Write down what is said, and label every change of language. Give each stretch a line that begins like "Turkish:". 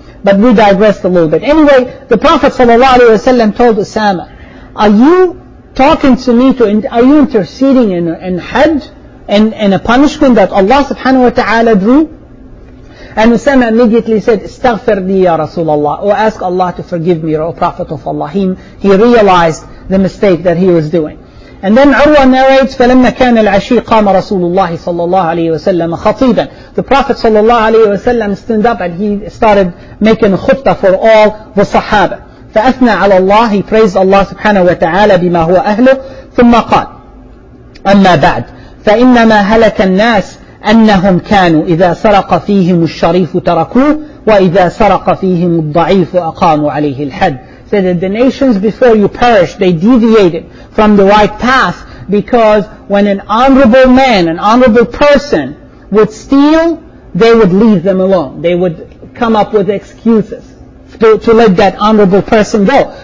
English: But we digressed a little bit. Anyway, the Prophet sallallahu alaihi wasallam told Usama, are you talking to me are you interceding in Hajj and a punishment that Allah subhanahu wa ta'ala drew? And Usama immediately said,
Arabic: استغفر لي يا رسول الله,
English: or ask Allah to forgive me, O Prophet of Allah. He realized the mistake that he was doing. And then Urwa narrates,
Arabic: فَلَمَّا كَانَ الْعَشِيِّ قَامَ رَسُولُ اللَّهِ صَلَّى اللَّهُ عَلَيْهِ وَسَلَّمَ خَطِيبًا.
English: The Prophet صلى الله عليه وسلم stood up and he started making khutbah for all the sahaba.
Arabic: فأثنى على الله,
English: he praised Allah
Arabic: سبحانه وتعالى بما هو أهله, ثم قال أما بعد فإنما هلك الناس أنهم كانوا إذا سرق فيهم الشريف تركوه وإذا سرق فيهم الضعيف أقاموا عليه الحد.
English: So that the nations before you perished, they deviated from the right path, because when an honorable man, an honorable person would steal, they would leave them alone. They would come up with excuses to let that honorable person go.